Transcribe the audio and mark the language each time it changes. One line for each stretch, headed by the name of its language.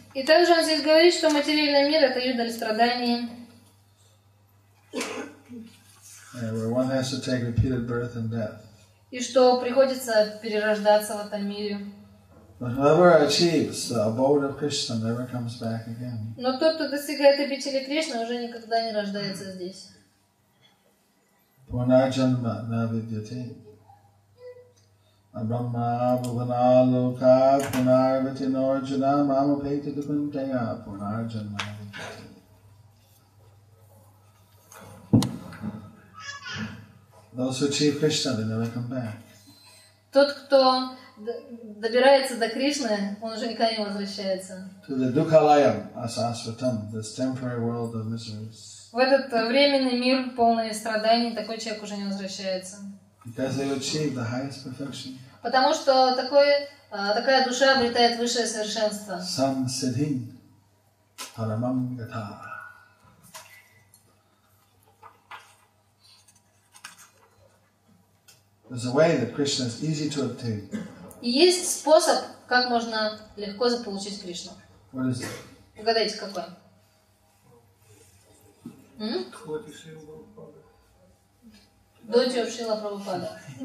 Russian: И также он здесь говорит, что материальный мир это юдоль страданий.
English: Where one has to take repeated birth and death.
Russian: И что приходится перерождаться в этом мире.
English: Whoever achieves the abode of Krishna never comes back again.
Russian: Но тот, кто достигает обители Кришны, уже никогда не рождается здесь.
Sanskrit: Пунаджанма на видьяте. Абрахма бхуванало ка пунарвати норджана мама пейте дупантея пунаджанма на видьяте.
English: Those who achieve Krishna, they never come back.
Russian: Тот, кто добирается до Кришны, он уже никогда не возвращается.
English: To the
Sanskrit: dukkhalayam asasvatam,
English: this temporary world of miseries.
Russian: В этот временный мир, полный страданий, такой человек уже не возвращается.
English: Because they achieve the highest perfection.
Russian: Потому что такая душа обретает высшее совершенство.
Sanskrit: Sam siddhin paramam gata.
English: There's a way that Krishna is easy to obtain.
Russian: И есть способ, как можно легко заполучить Кришну.
English: What is it?
Russian: Угадайте, какой? Доти Шрила Прабхупада.